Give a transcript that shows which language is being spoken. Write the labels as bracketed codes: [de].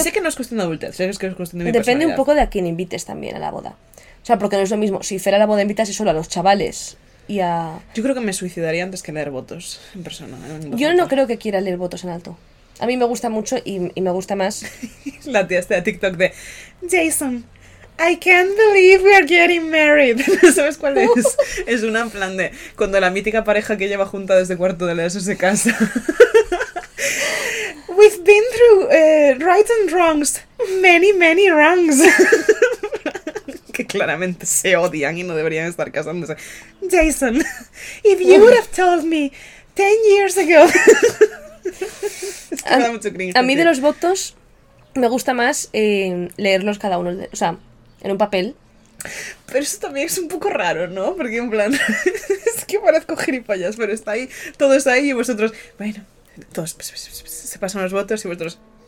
[es] y sé que no es cuestión de adultez, sé que es cuestión de mi personalidad. Depende un poco de a quién invites también a la boda. O sea, porque no es lo mismo. Si fuera la boda, invitas solo a los chavales y a... Yo creo que me suicidaría antes que leer votos en persona. Yo no creo que quiera leer votos en alto. A mí me gusta mucho y me gusta más... La tía está de TikTok de... Jason... [en] I can't believe we're getting married. [es] ¿Sabes cuál es? Es una en plan de cuando la mítica pareja que lleva junta desde cuarto de la ESO se casa. [en] We've been through right and wrongs, many, many wrongs. [es] Que claramente se odian y no deberían estar casándose. [en] Jason, if you would have told me 10 years ago. [es] Esto da mucho cringe. A mí de los votos me gusta más leerlos cada uno. O sea, en un papel. Pero eso también es un poco raro, ¿no? Porque en plan, es que parezco gilipollas, pero está ahí, todos ahí y vosotros, bueno, todos se pasan los votos y vosotros...